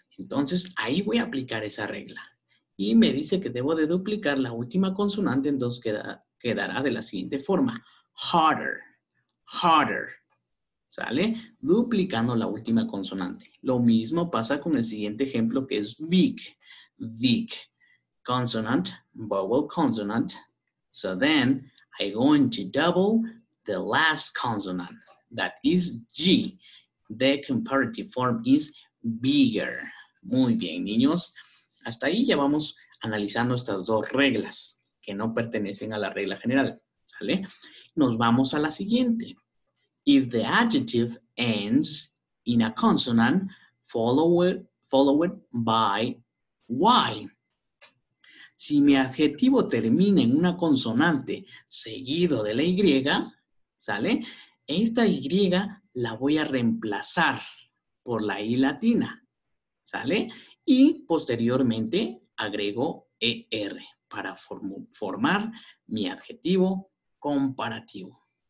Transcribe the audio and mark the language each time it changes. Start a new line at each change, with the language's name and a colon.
Spanish: Entonces ahí voy a aplicar esa regla. Y me dice que debo de duplicar la última consonante, entonces quedará de la siguiente forma.
English: Harder, harder. ¿Sale?
Spanish: Duplicando la última consonante. Lo mismo pasa con el siguiente ejemplo que es big, big.
English: Consonant, vowel, consonant. So then, I'm going to double the last consonant. That is G. The comparative form is bigger.
Spanish: Muy bien, niños. Hasta ahí ya vamos analizando estas dos reglas que no pertenecen a la regla general. ¿Sale? Nos vamos a la siguiente.
English: If the adjective ends in a consonant, followed by Y.
Spanish: Si mi adjetivo termina en una consonante seguido de la Y, ¿sale? Esta Y la voy a reemplazar por la I latina, ¿sale? Y posteriormente agrego ER para formar mi adjetivo comparativo.